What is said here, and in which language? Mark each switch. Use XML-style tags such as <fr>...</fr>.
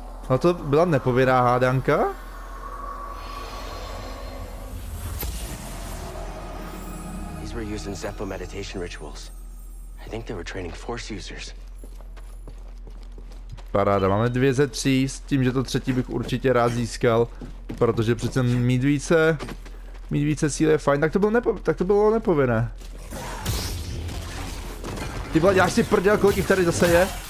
<cs>No to byla nepovědná hádanka.</cs> <en>These were using Zepho meditation rituals. I think they were training force users.</en> <cs>Paráda, máme 2 ze 3, s tím, že to třetí bych určitě rád získal, protože přece mít více síly je fajn, tak to bylo nepovinné. Ty vole, děláš si prděl, kolik jich tady zase je?</cs>